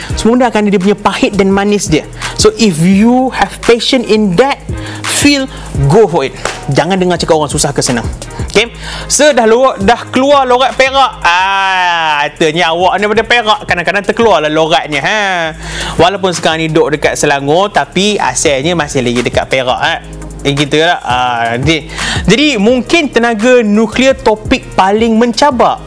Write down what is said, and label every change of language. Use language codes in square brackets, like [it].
[ms] Semua benda akan ada dia punya pahit dan manis dia. [en] So if you have passion in that field, go for it. [ms] Jangan dengar cakap orang susah ke senang. Okay? Dah keluar lorat Perak. Katanya awak ni daripada Perak, kadang-kadang terkeluarlah loratnya. Walaupun sekarang ni duduk dekat Selangor, tapi asalnya masih lagi dekat Perak. Jadi mungkin tenaga nuklear topik paling mencabar.